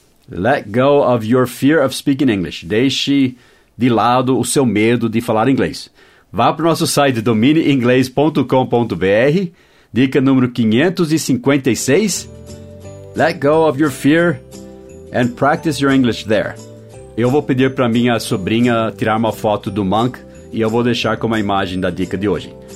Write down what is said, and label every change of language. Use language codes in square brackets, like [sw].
[en] Let go of your fear of speaking English. [pt] Deixe de lado o seu medo de falar inglês. Vá para o nosso site dominiinglês.com.br. Dica número 556. [en] Let go of your fear and practice your English there. [pt] Eu vou pedir para minha sobrinha tirar uma foto do Monk e eu vou deixar como a imagem da dica de hoje.